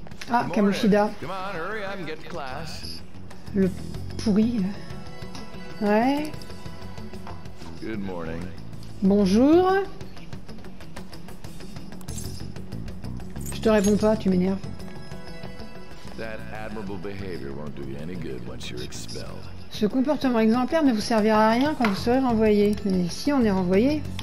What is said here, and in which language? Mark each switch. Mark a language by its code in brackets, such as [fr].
[fr] Ah, Kamoshida. Le pourri. Ouais. [en] Good morning. [fr] Bonjour. Je te réponds pas, tu m'énerves. [en] That admirable behavior won't do you any good once you're expelled. [fr] Ce comportement exemplaire ne vous servira à rien quand vous serez renvoyé. Mais si on est renvoyé.